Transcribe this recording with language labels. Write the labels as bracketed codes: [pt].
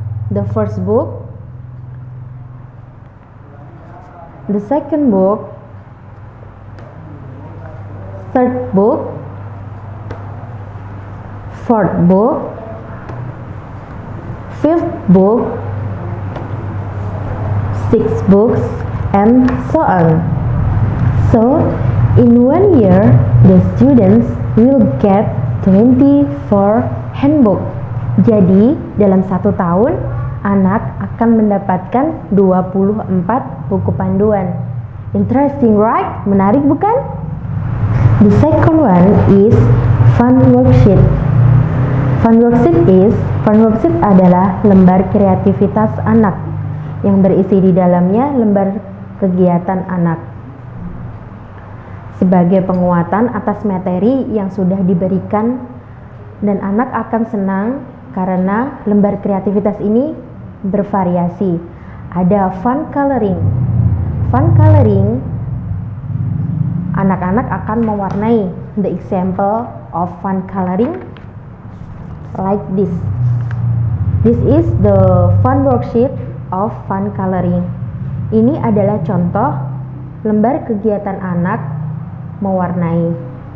[en] The first book, the second book, third book, fourth book, fifth book, sixth books, and so on. So, in 1 year, the students will get 24 handbook. [id] Jadi, dalam 1 tahun, anak akan mendapatkan 24 buku panduan. [en] Interesting, right? [id] Menarik, bukan? [en] The second one is fun worksheet. [id] Fun worksheet adalah lembar kreativitas anak yang berisi di dalamnya lembar kegiatan anak sebagai penguatan atas materi yang sudah diberikan, dan anak akan senang karena lembar kreativitas ini bervariasi. Ada fun coloring. Fun coloring, anak-anak akan mewarnai. [en] The example of fun coloring like this. This is the fun worksheet of fun coloring. [id] Ini adalah contoh lembar kegiatan anak mewarnai.